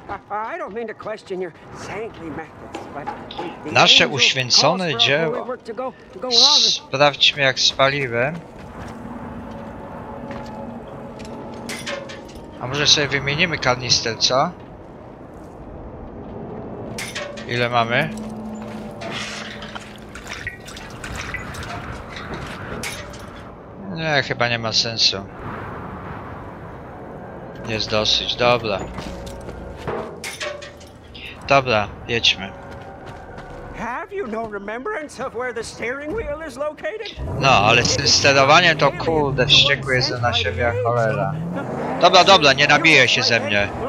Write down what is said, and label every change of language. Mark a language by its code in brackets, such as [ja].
[en] I don't mean to question your saintly methods, but [pl] nasze uświęcone dzieło. Sprawdźmy, jak spaliłem. A może sobie wymienimy kanister, co? Ile mamy? Nie, chyba nie ma sensu. Jest dosyć, dobra. Dobra, jedźmy. [en] Have you no remembrance of where the steering wheel is located? [pl] No, ale z tym sterowaniem to kurde wściekły jest na siebie, cholera. Dobra, dobra, nie nabije się ze mnie.